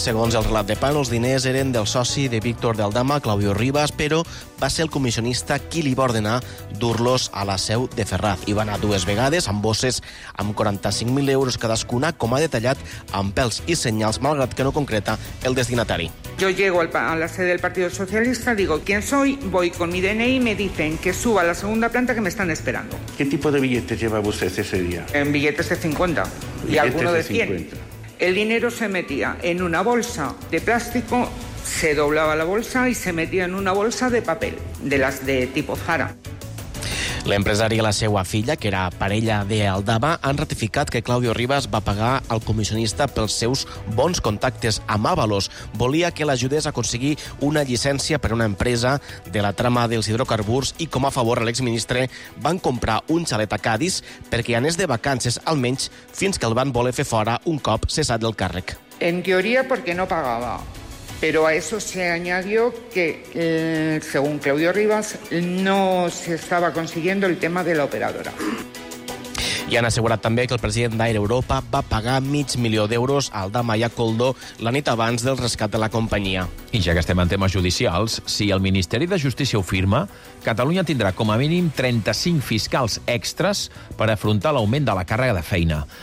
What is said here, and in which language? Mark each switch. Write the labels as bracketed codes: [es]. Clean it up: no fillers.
[ca] Segons el relat de Pan, els diners eren del soci de Víctor de Aldama, Claudio Rivas, però va ser el comissionista qui li va ordenar dur-los a la seu de Ferraz. Hi va anar dues vegades, amb bosses amb 45.000 euros cadascuna, com ha detallat, amb pèls i senyals, malgrat que no concreta el destinatari. [es] Yo llego a la sede del Partido Socialista, digo quién soy, voy con mi DNI y me dicen que suba a la segunda planta que me están esperando. ¿Qué tipo de billetes lleva usted ese día? En billetes de 50. ¿Billetes y alguno de 100? 50. El dinero se metía en una bolsa de plástico, se doblaba la bolsa y se metía en una bolsa de papel, de las de tipo Zara. [ca] L'empresari i la seva filla, que era parella d'Aldama, han ratificat que Claudio Rivas va pagar al comissionista pels seus bons contactes amb Ábalos. Volia que l'ajudés a aconseguir una llicència per a una empresa de la trama dels hidrocarburs i, com a favor a l'exministre, van comprar un xalet a Cádiz perquè anés de vacances, almenys fins que el van voler fer fora un cop cessat del càrrec. En teoria, perquè no pagava. [es] Pero a eso se añadió que, según Claudio Rivas, no se estaba consiguiendo el tema de la operadora. [ca] I han assegurat també que el president d'Aire Europa va pagar 500.000 d'euros al Aldama i a Koldo la nit abans del rescat de la companyia. I ja que estem en temes judicials, si el Ministeri de Justícia ho firma, Catalunya tindrà com a mínim 35 fiscals extres per afrontar l'augment de la càrrega de feina.